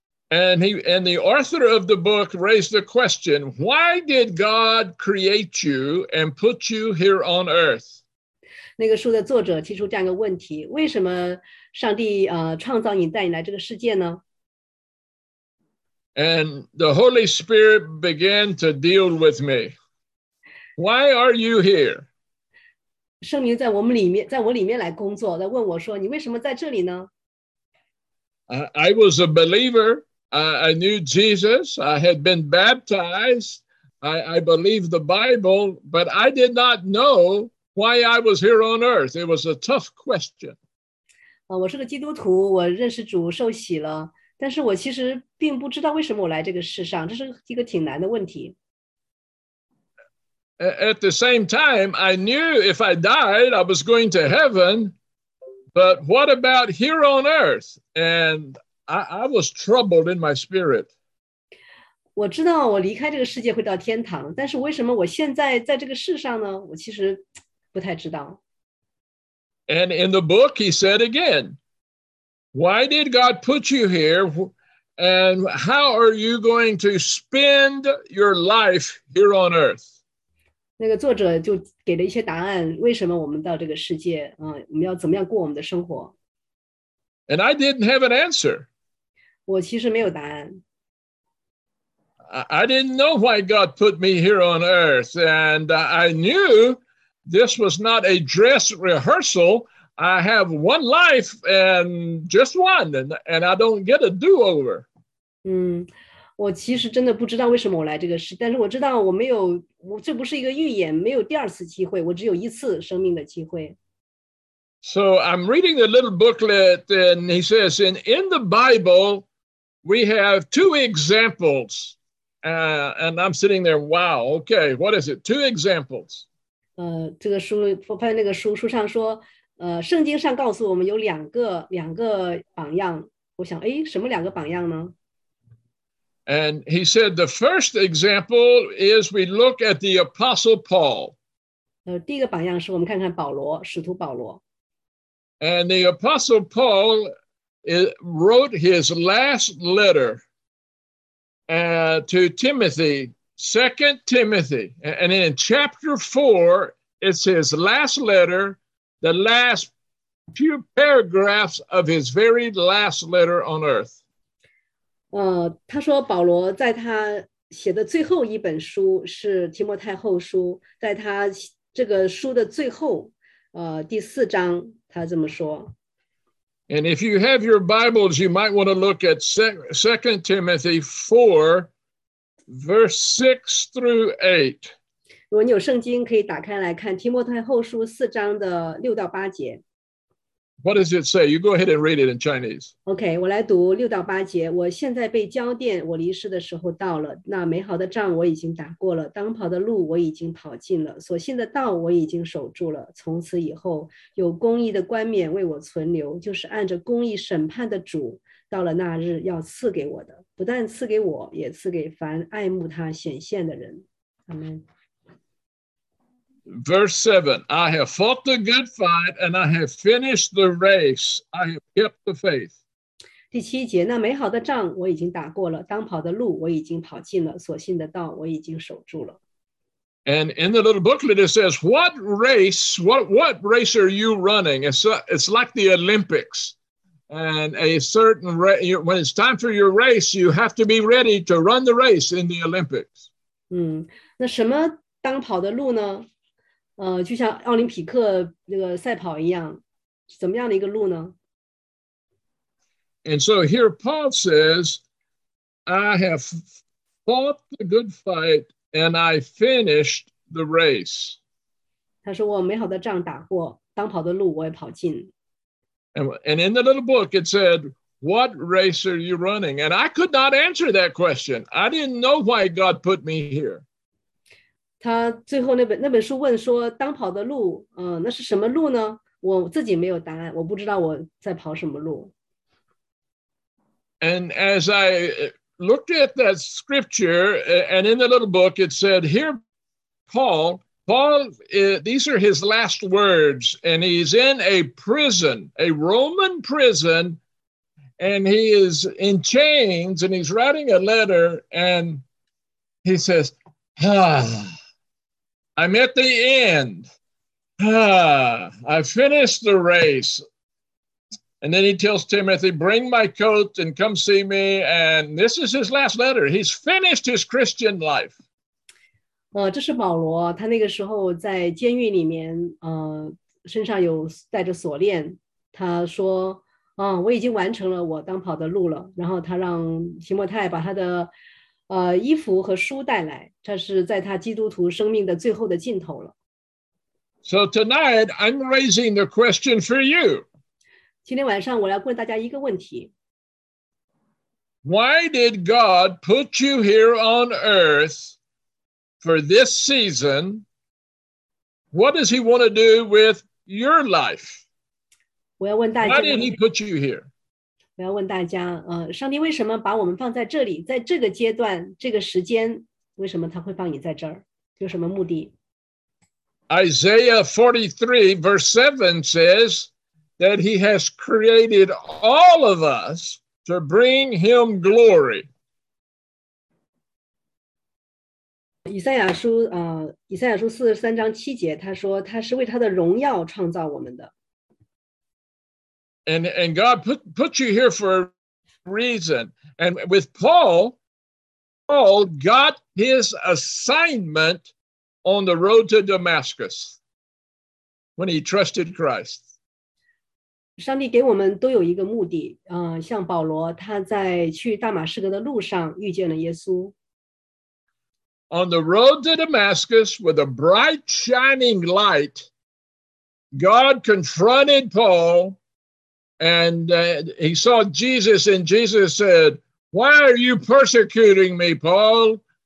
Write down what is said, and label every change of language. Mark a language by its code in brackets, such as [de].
[en] And the author of the book raised the question, why did God create you and put you here on earth? [zh] 那个书的作者提出这样一个问题，为什么上帝创造你带你来这个世界呢？ [en] And the Holy Spirit began to deal with me. Why are you here? [zh] 圣灵在我们里面，在我里面来工作，来问我说，你为什么在这里呢？ [en] I was a believer. I knew Jesus. I had been baptized. I believed the Bible, but I did not know why I was here on earth. It was a tough question. [zh] 我是个基督徒，我认识主，受洗了，但是我其实并不知道为什么我来这个世上，这是一个挺难的问题。 [en] At the same time, I knew if I died, I was going to heaven, but what about here on earth? And I was troubled in my spirit. [zh] 我知道我离开这个世界会到天堂，但是为什么我现在在这个世上呢？我其实不太知道。 [en] And in the book, he said again, "Why did God put you here, and how are you going to spend your life here on earth?" [zh] 那个作者就给了一些答案，为什么我们到这个世界，我们要怎么样过我们的生活？ [en] And I didn't have an answer. [zh] 我其实没有答案。 [en] I didn't know why God put me here on earth, and I knew this was not a dress rehearsal. I have one life and just one, and I don't get a do-over. [zh] 我其实真的不知道为什么我来这个世，但是我知道我没有，我这不是一个预言，没有第二次机会，我只有一次生命的机会。 [en] So I'm reading the little booklet, and he says, in the Bible. We have 2 examples, and I'm sitting there, wow, okay, what is it? 2 examples. [zh] 这个书，我发现那个书上说，圣经上告诉我们有两个榜样。我想，哎，什么两个榜样呢？ [en] And he said the first example is we look at the Apostle Paul. [zh] 第一个榜样是我们看看保罗，使徒保罗。 [en] And the Apostle Paul... It wrote his last letter to Timothy, 2 Timothy. And in chapter 4, it's his last letter, the last few paragraphs of his very last letter on earth. [zh] 他说保罗在他写的最后一本书是提摩太后书，在他这个书的最后第四章，他这么说。 [en] And if you have your Bibles, you might want to look at 2 Timothy 4, verse 6 through 8. [zh] 如果你有圣经, 可以打开来看, 提摩太后书4章的6到8节。 [en] What does it say? You go ahead and read it in Chinese. [zh] Okay, 我来读6到8节, 我现在被浇奠, 我离世的时候到了, 那美好的仗我已经打过了, 当跑的路我已经跑尽了, 所信的道我已经守住了, 从此以后, 有公义的冠冕为我存留, 就是按着公义审判的主, 到了那日要赐给我的, 不但赐给我, 也赐给凡爱慕他显现的人。 [en] Amen. Verse 7, I have fought the good fight and I have finished the race. I have kept the faith. [zh] 第七节, 那美好的仗我已经打过了, 当跑的路我已经跑尽了, 所信的道我已经守住了。 [en] And in the little booklet it says, what race, what race are you running? It's like the Olympics. And a certain race, when it's time for your race, you have to be ready to run the race in the Olympics. [zh] 那什么当跑的路呢? 就像奥林匹克那个赛跑一样, 怎么样的一个路呢? [en] And so here Paul says, I have fought the good fight and I finished the race. [zh] 他说我美好的仗打过, 当跑的路我也跑尽。 [en] And in the little book it said, what race are you running? And I could not answer that question. I didn't know why God put me here. [zh] 他最后那本书问说, 当跑的路, 那是什么路呢? 我自己没有答案, 我不知道我在跑什么路。 [en] And as I looked at that scripture, and in the little book, it said, here, Paul, these are his last words, and he's in a prison, a Roman prison, and he is in chains, and he's writing a letter, and he says, I'm at the end. I finished the race. And then he tells Timothy, bring my coat and come see me. And this is his last letter. He's finished his Christian life. [zh] 这是保罗,他那个时候在监狱里面, 身上有带着锁链, 他说, 我已经完成了我当跑的路了, 然后他让提摩太把他的 衣服和书带来, 这是在他基督徒生命的最后的尽头了。 [en] So tonight, I'm raising the question for you. [zh] 今天晚上我来问大家一个问题。 [en] Why did God put you here on earth for this season? What does he want to do with your life? [zh] 我要问大家, [en] Why did he put you here? [zh] 我要问大家, 上帝为什么把我们放在这里, 在这个阶段, 这个时间, 为什么他会放你在这儿, 有什么目的? [en] Isaiah 43 verse 7 says that he has created all of us to bring him glory. [zh] 以赛亚书, 以赛亚书 43章7节, 他说他是为他的荣耀创造我们的。 [en] And God put you here for a reason. And with Paul got his assignment on the road to Damascus when he trusted Christ. [zh] 上帝给我们都有一个目的, 像保罗他在去大马士革的路上遇见了耶稣。 [en] On the road to Damascus with a bright shining light, God confronted Paul. And he saw Jesus, and Jesus said, why are you persecuting me, Paul?